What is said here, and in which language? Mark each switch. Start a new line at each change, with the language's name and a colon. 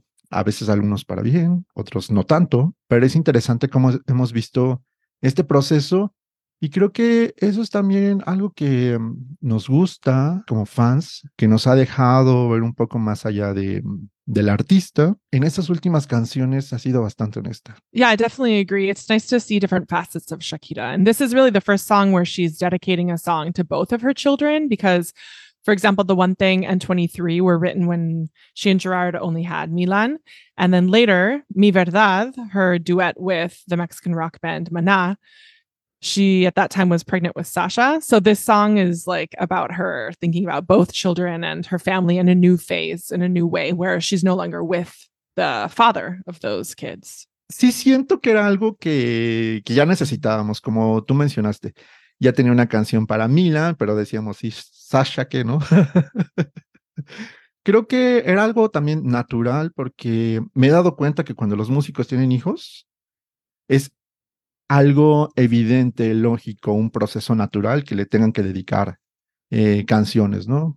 Spanish: A veces algunos para bien, otros no tanto, pero es interesante cómo hemos visto este proceso y creo que eso es también algo que nos gusta como fans, que nos ha dejado ver un poco más allá del artista. En estas últimas canciones ha sido bastante honesta.
English: Yeah, I definitely agree. It's nice to see different facets of Shakira. And this is really the first song where she's dedicating a song to both of her children, because, for example, The One Thing and 23 were written when she and Gerard only had Milan. And then later, Mi Verdad, her duet with the Mexican rock band Maná, she at that time was pregnant with Sasha. So this song is like about her thinking about both children and her family in a new phase, in a new way, where she's no longer with the father of those kids.
Spanish: Sí, siento que era algo que ya necesitábamos, como tú mencionaste. Ya tenía una canción para Milan, pero decíamos, ¿y Sasha qué, no? Creo que era algo también natural, porque me he dado cuenta que cuando los músicos tienen hijos, es algo evidente, lógico, un proceso natural que le tengan que dedicar canciones, ¿no?